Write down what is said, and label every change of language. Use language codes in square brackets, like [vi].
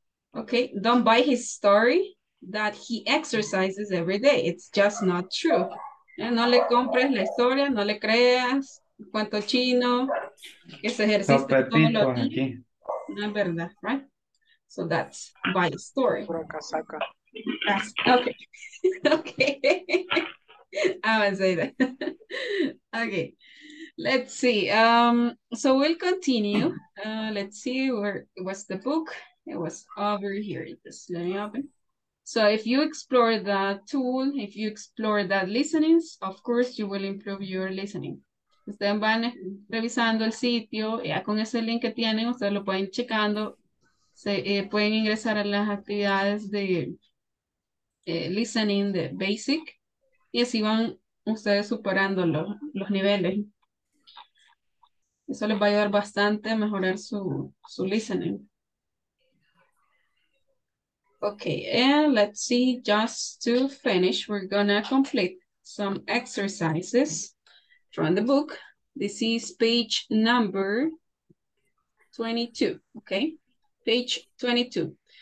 [en] Okay, don't buy his story that he exercises every day. It's just not true. [es] No le compres la historia, no le creas. Cuento chino, que se ejercita todos los días. No es verdad, [en] right? So that's buy his story. [es] Pura casaca. [en] Okay. Okay. I'm gonna say that. Okay. Let's see. So we'll continue. Let's see where was the book. It was over here. Just let me open. So if you explore the tool, if you explore that listening, of course you will improve your listening. [es] Ustedes van revisando el sitio, ya con ese link que tienen, ustedes lo pueden checando. Se pueden ingresar a las actividades de listening, de basic, y así van ustedes superando los niveles. Eso les va a ayudar bastante a mejorar su listening. [en] Okay, and let's see, just to finish, we're gonna complete some exercises from the book. This is page number 22, okay? Page 22.